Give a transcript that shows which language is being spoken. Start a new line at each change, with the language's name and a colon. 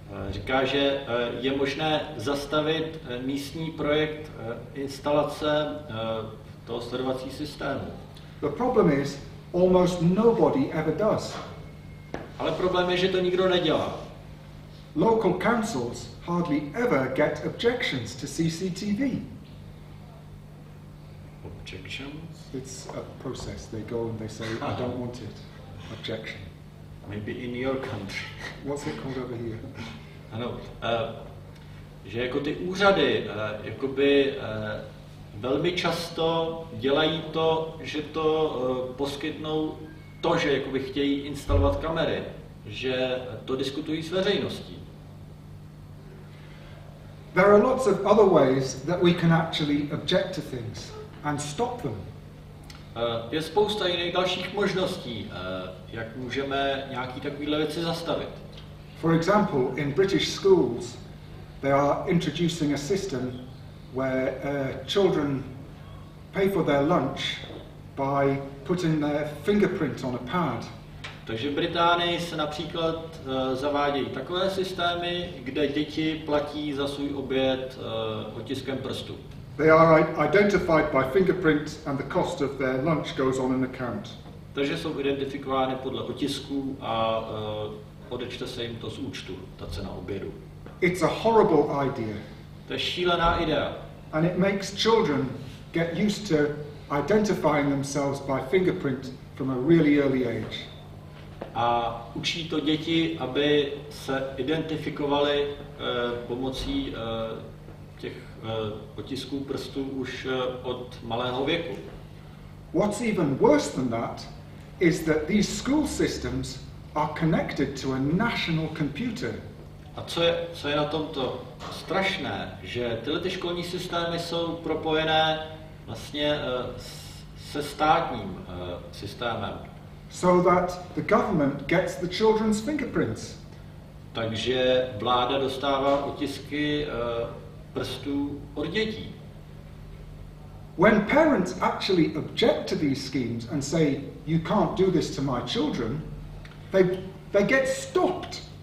Czech: Říká, že je možné zastavit místní projekt instalace toho sledovací systému.
English: The problem is, almost nobody ever does. Ale problém je, že to nikdo nedělá. Local councils hardly ever get objections to CCTV. Objections? It's a process. They go and they say, I don't want it. Objection. Maybe in your country. What's it called over here?
Czech: Ano, že jako ty úřady, jakoby velmi často dělají to, že to poskytnou to, že jakoby chtějí instalovat kamery, že to diskutují s veřejností.
English: There are lots of other ways that we can actually object to things and stop them.
Czech: Je spousta jiných dalších možností, jak můžeme nějaký takovýhle věci zastavit.
English: For example, in British schools, they are introducing a system where children pay for their lunch by putting their fingerprint on a pad.
Czech: Takže v Británii se například zavádějí takové systémy, kde děti platí za svůj oběd otiskem prstu.
English: They are identified by fingerprint and the cost of their lunch goes on an account.
Czech: Takže jsou identifikovány podle otisků a odečte se jim to z účtu, ta cena obědu.
English: It's a horrible idea.
Czech: To je šílená idea.
English: And it makes children get used to identifying themselves by fingerprint from a really early age.
Czech: A učí to děti, aby se identifikovali pomocí těch otisků prstů už od malého věku.
English: What's even worse than that is that these school systems are connected to a national computer.
Czech: A co je na tomto strašné, že tyhle ty školní systémy jsou propojené vlastně se státním systémem.
English: So that the government gets the children's fingerprints.
Czech: Takže vláda dostává otisky prstů od dětí.
English: When parents actually object to these schemes and say you can't do this to my children, they get stopped.